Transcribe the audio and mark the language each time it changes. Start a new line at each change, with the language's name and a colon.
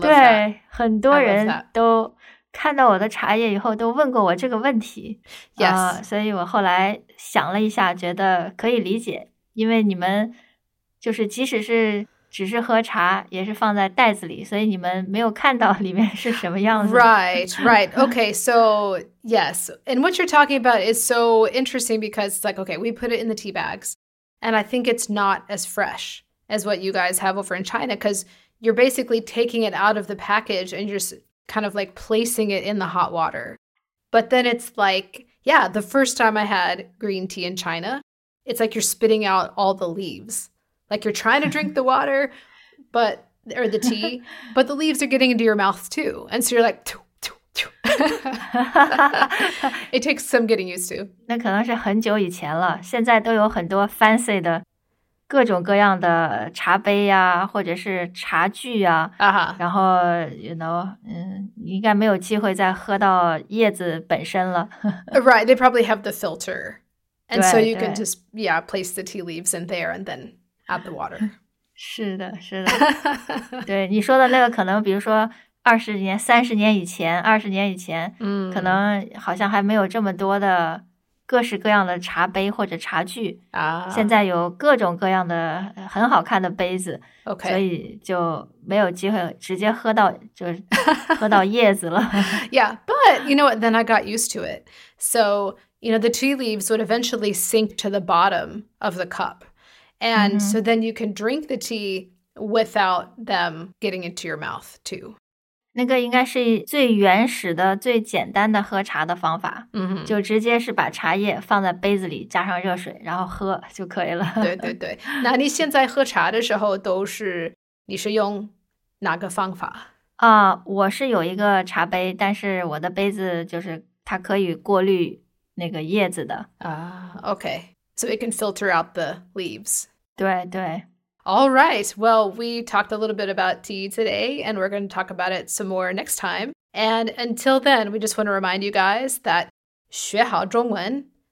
Chinese: 对，很多人都看到我的茶叶以后都问过我这个问题。
English: Yes.
Chinese: 所以我后来想了一下，觉得可以理解，因为你们就是即使是只是喝茶，也是放在袋子里，所以你们没有看到里面是什么样子。
English: Right, right. Okay, so yes. And what you're talking about is so interesting because it's like, okay, we put it in the tea bags. And I think it's not as fresh as what you guys have over in China because you're basically taking it out of the package and you're just kind of like placing it in the hot water. But then it's like, yeah, the first time I had green tea in China, it's like you're spitting out all the leaves. Like you're trying to drink the water, but, or the tea, but the leaves are getting into your mouth too. And so you're like, tow, tow, tow. It takes some getting used to.
Chinese: 那可能是很久以前了，现在都有很多 fancy 的各种各样的茶杯呀，或者是茶具呀。然后
English: you know,
Chinese: 应该没有机会再喝到叶子本身了。
English: Right, they probably have the filter. And so you can just, yeah, place the tea leaves in there and then... at the water.
Chinese: 是的是的。对，你说的那个可能比如说二十年以前、三十年以前、可能好像还没有这么多的各式各样的茶杯或者茶具。现在有各种各样的很好看的杯子。
English: Okay.
Chinese: 所以就没有机会直接喝到就是喝到叶子了。
English: Yeah, but you know what, then I got used to it. So, you know, the tea leaves would eventually sink to the bottom of the cup.And so then you can drink the tea without them getting into your mouth too.
Chinese: 那个应该是最原始的最简单的喝茶的方法、 mm-hmm. 就直接是把茶叶放在杯子里加上热水然后喝就可以了。对对对，那你现在喝茶的时候都是你是用哪个方法啊、我是有一个茶杯，但是我的杯子就是它可以过滤那个叶子的
English: 啊、OK so it can filter out the leaves.
Chinese: 对对。
English: All right, well, we talked a little bit about tea today, and we're going to talk about it some more next time. And until then, we just want to remind you guys that
Chinese: 学好中文